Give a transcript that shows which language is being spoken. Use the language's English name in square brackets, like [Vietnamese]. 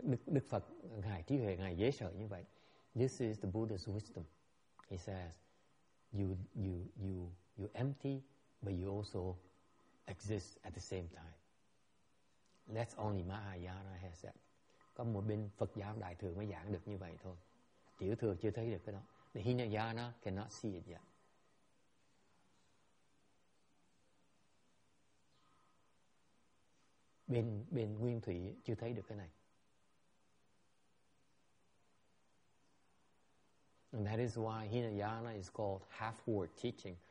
[Vietnamese] Đức Phật, Ngài Trí Huệ, Ngài dễ sợ như vậy. [English] This is the Buddha's wisdom. He says, you empty, but you also exist at the same time. That's only Mahayana has that. [Vietnamese] Có một bên Phật giáo Đại Thừa mới giảng được như vậy thôi. Tiểu Thừa chưa thấy được cái đó. [English] The Hinayana cannot see it yet. [Vietnamese] Bên Nguyên Thủy chưa thấy được cái này. [English] And that is why Hinayana is called half-word teaching.